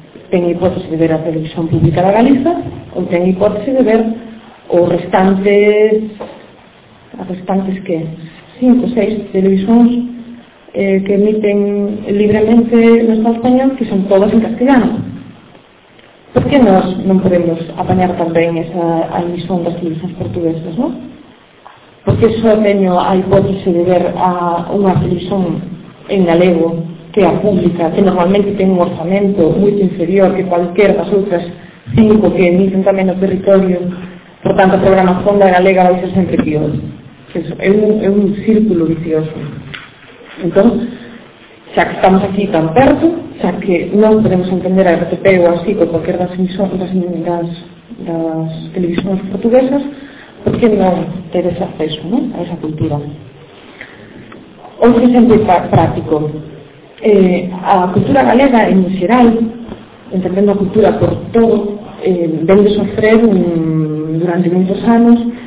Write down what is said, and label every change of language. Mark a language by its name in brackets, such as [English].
[Spanish] Tiene hipótesis de ver a Televisión Pública de Galicia o tiene hipótesis de ver o restantes que 5 o 6 televisiones que emiten libremente en español, que son todas en castellano. ¿Por qué nos no podemos apañar también esa emisión de las televisiones portuguesas, ¿no? [Galician] Porque só teño a hipótese de ver a unha televisión en galego que é a pública, que normalmente ten un orzamento moito inferior que cualquier das outras 5 que emiten tamén no territorio, por tanto a programación da galega vai ser sempre pior. É un círculo vicioso. Entón, xa que estamos aquí tan perto, xa que non podemos entender a RTP ou así con cualquier das emisións das televisións portuguesas, [Spanish] ¿por qué no tener ese acceso, ¿no?, a esa cultura? Otro ejemplo práctico. [Galician] A cultura galega, en xeral, entendendo a cultura por todo, vende sofrer [Spanish] durante muchos años